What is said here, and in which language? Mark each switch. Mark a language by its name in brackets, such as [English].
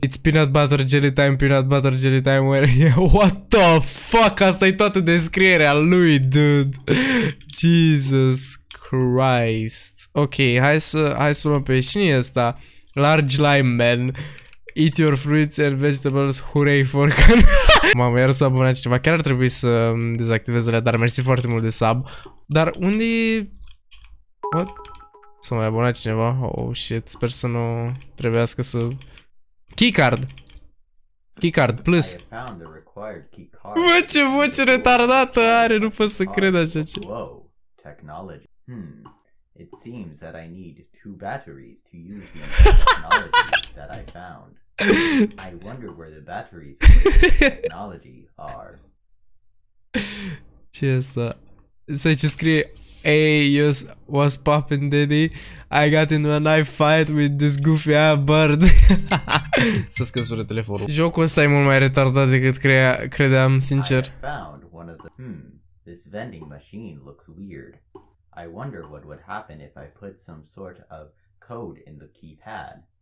[English] It's peanut butter jelly time, peanut butter jelly time, where are you? What the fuck? [Romanian] Asta e toată descrierea lui, [English] dude. Jesus Christ. [Romanian] Ok, hai să luăm pe cine ăsta. [English] Large lime man. Eat your fruits and vegetables, hooray for can. [Romanian] Mamă, iar s-a abonat cineva. Chiar ar trebui să dezactivez alea, dar mersi foarte mult de sub. Dar unde e... What? S-a mai abonat cineva? [English] Oh shit, [Romanian] sper să nu trebuiască să... Keycard! Keycard, plus! Bă, ce voce retardată are, nu pot să cred așa ce... [English] Wow, technology. It seems that I need two batteries to use the technology that I found. I wonder where the batteries for the technology are. [Romanian] Ce asta? Să ce scrie... [English] Hey, you was popping, daddy. I got into a knife fight with this goofy bird. [Romanian] Să scăsură telefonul. Jocul ăsta e mult mai retardat decât credeam, sincer. [English] I found one of the... this vending machine looks weird. I wonder what would happen if I put some sort of code in the keypad.